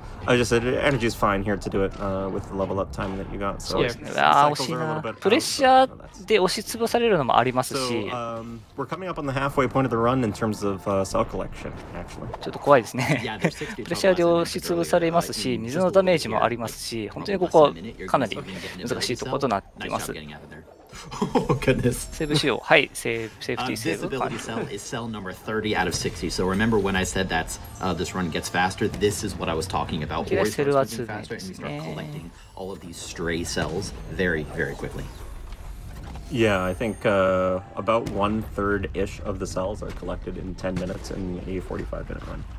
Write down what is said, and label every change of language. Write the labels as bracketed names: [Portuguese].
[English] I just said energy is fine here to do it、with the level up time that you got. So, yeah, it's a little bit of a problem. So, we're coming up on the halfway point of the run in terms of、cell collection, actually. [Japanese] ちょっと怖いですね。プレッシャーで押し潰されますし、水のダメージもありますし、本当にここはかなり難しいところとなっています。セーブしよう。はい、セーブ、セーフティーセーブ。 [English] 30/60 So remember when I said that、this run gets faster, this is what I was talking about. [Japanese] セルは集めですね。 [English] Start collecting all of these stray cells very, very quickly. Yeah, I think about one third ish of the cells are collected in 10 minutes in a 45 minute run.